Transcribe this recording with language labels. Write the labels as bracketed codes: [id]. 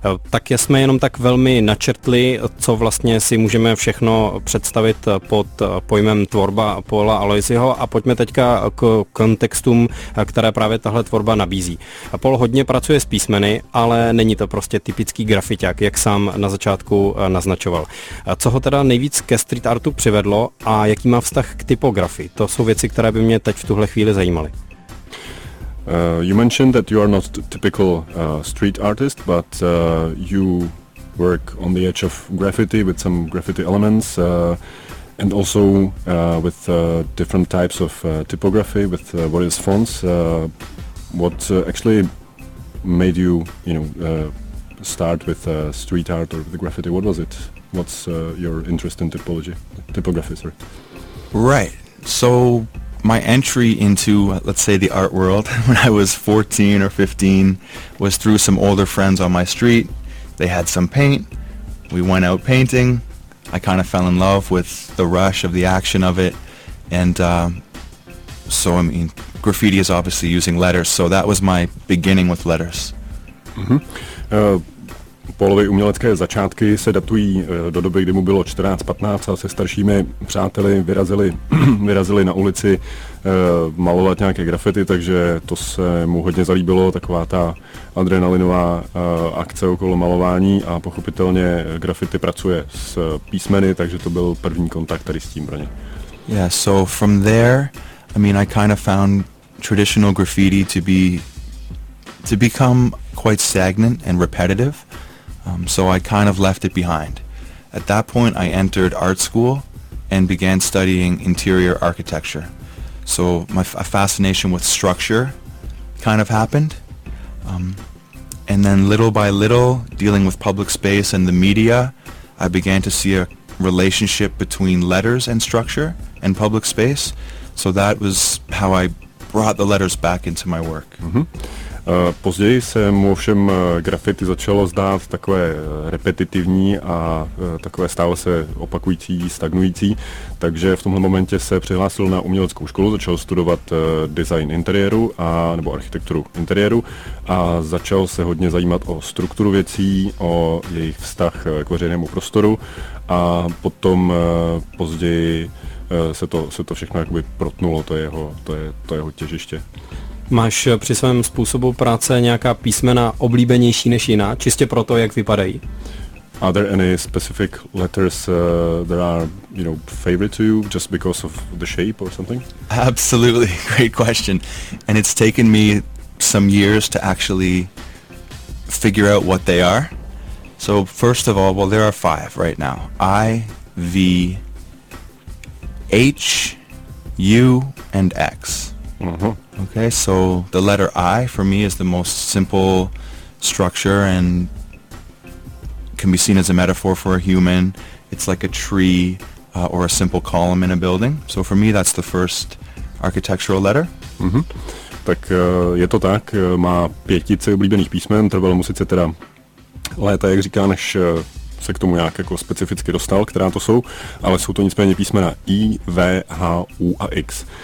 [cs] Tak jsme jenom tak velmi načrtli, co vlastně si můžeme všechno představit pod pojmem tvorba Paula Aloisiho, a pojďme teďka k kontextům, které právě tahle tvorba nabízí. Paul hodně pracuje s písmeny, ale není to prostě typický grafiťák, jak sám na začátku naznačoval. Co ho teda nejvíc ke street artu přivedlo a jaký má vztah k typografii? To jsou věci, které by mě teď v tuhle chvíli zajímaly. [en] You mentioned that you are not typical street artist, but you work on the edge of graffiti with some graffiti elements and also with different types of typography with various fonts. What actually made you, you know, start with street art or with graffiti? What was it? What's your interest in typography, sorry. Right. So my entry into, let's say, the art world when I was 14 or 15 was through some older friends on my street. They had some paint. We went out painting. I kind of fell in love with the rush of the action of it. And so, I mean, graffiti is obviously using letters. So that was my beginning with letters. Mm-hmm. [cs] Paulovy umělecké začátky se datují do doby, kdy mu bylo 14-15 a se staršími přáteli vyrazili na ulici malovat nějaké grafity, takže to se mu hodně zalíbilo, taková ta adrenalinová akce okolo malování, a pochopitelně grafity pracuje s písmeny, takže to byl první kontakt tady s tím pro ně. [en] Yeah, so from there, I mean, I kind of found traditional graffiti to become quite stagnant and repetitive. So I kind of left it behind. At that point, I entered art school and began studying interior architecture. So a fascination with structure kind of happened. And then little by little, dealing with public space and the media, I began to see a relationship between letters and structure and public space. So that was how I brought the letters back into my work. Mm-hmm. [cs] Později se mu ovšem graffiti začalo zdát takové repetitivní a takové stále se opakující, stagnující, takže v tomhle momentě se přihlásil na uměleckou školu, začal studovat design interiéru nebo architekturu interiéru a začal se hodně zajímat o strukturu věcí, o jejich vztah k veřejnému prostoru, a potom později se to všechno jakoby protnulo, to jeho těžiště. Máš při svém způsobu práce nějaká písmena oblíbenější než jiná, čistě proto, jak vypadají? [en] Are there any specific letters that are, you know, favorite to you just because of the shape or something? Absolutely, great question. And it's taken me some years to actually figure out what they are. So first of all, well, there are five right now. I, V, H, U, and X. Uh-huh. Okay, so the letter I for me is the most simple structure and can be seen as a metaphor for a human. It's like a tree or a simple column in a building. So for me that's the first architectural letter. Mm-hmm. [cs] Tak je to tak, má pětice oblíbených písmen, trvalo mu sice teda léta, jak říká, než se k tomu nějak jako specificky dostal, která to jsou, ale jsou to nicméně písmena I, V, H, U a X.